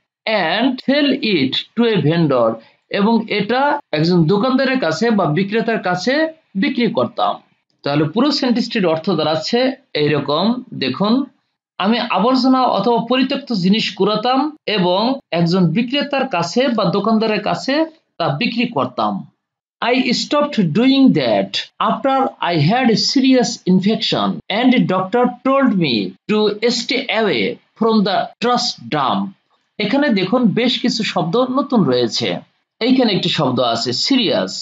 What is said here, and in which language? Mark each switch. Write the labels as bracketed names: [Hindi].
[English] and sell it to a vendor, [Bangla] এবং এটা একজন দোকানদারের কাছে বা বিক্রেতার কাছে বিক্রি করতাম। তাহলে পুরো সেন্টেন্সটির অর্থ দাঁড়াচ্ছে এইরকম, দেখুন আমি আবর্জনা অথবা পরিত্যক্ত জিনিস কুড়াতাম এবং একজন বিক্রেতার কাছে বা দোকানদারের কাছে তা বিক্রি করতাম। [English] I stopped doing that after I had a serious infection and a doctor told me to stay away from the trash dump. [Bangla] এখানে দেখুন বেশ কিছু শব্দ নতুন রয়েছে। এইখানে একটি শব্দ আছে serious.